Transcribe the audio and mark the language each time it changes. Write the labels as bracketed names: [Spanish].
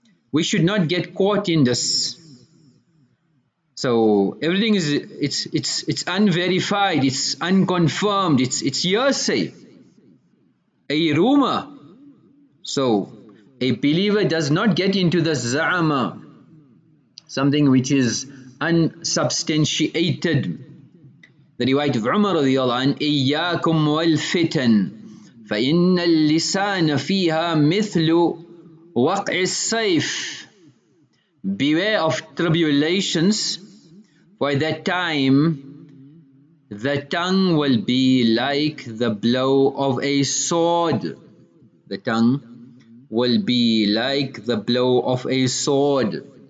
[English] We should not get caught in this. So everything is it's unverified, it's unconfirmed, it's hearsay, a rumor. So a believer does not get into the za'ama, something which is unsubstantiated. The riwayat of Umar radiyallahu anhu, [Arabic] إِيَّاكُمْ وَالْفِتَنْ فَإِنَّ اللِّسَانَ فِيهَا مِثْلُ وَقْعِ السَّيْفِ. [English] Beware of tribulations, for at that time the tongue will be like the blow of a sword. The tongue will be like the blow of a sword.